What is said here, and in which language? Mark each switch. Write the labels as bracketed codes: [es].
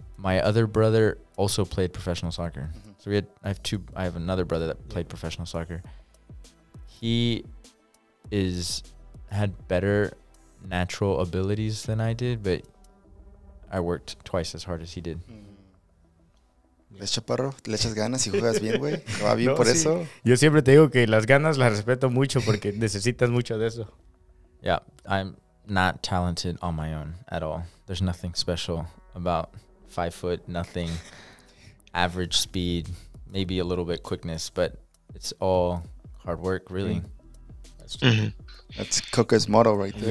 [en] My other brother also played professional soccer. Mm-hmm. So I have another brother that played professional soccer. He had better natural abilities than I did, but I worked twice as hard as he did. Mm-hmm. [es] Le echas parro, le echas ganas y juegas bien, güey. Va bien por eso. Yo siempre te digo que las ganas las respeto mucho porque necesitas mucho de eso. [en] Yeah, I'm not talented on my own at all. There's nothing special about 5 foot, nothing. Average speed, maybe a little bit quickness, but it's all hard work, really. Mm. That's true. That's Coca's motto right there.